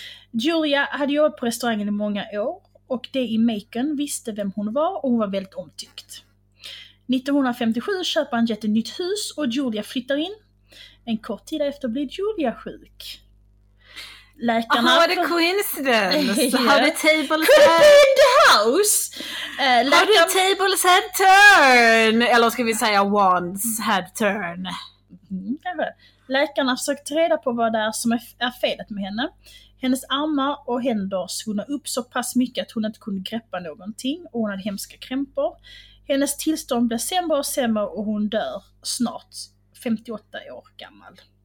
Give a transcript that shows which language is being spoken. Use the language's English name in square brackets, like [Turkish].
[Swedish] Julia hade jobbat på restaurangen i många år. Och det i Macon visste vem hon var och hon var väldigt omtyckt. 1957 köper Anjette ett nytt hus och Julia flyttar in. En kort tid efter blir Julia sjuk. [English] Läkarna... Oh, what a coincidence! Yeah. How the tables could have been in the house! How the tables had turned! [Swedish] Eller ska vi säga [English] wands had turned. [Swedish] Läkarna försökte reda på vad det är som är felet med henne. Hennes armar och händer svunnade upp så pass mycket att hon inte kunde greppa någonting och hon hade hemska krämpor. Hennes tillstånd blev sämre och sämre och hon dör snart, 58 år gammal.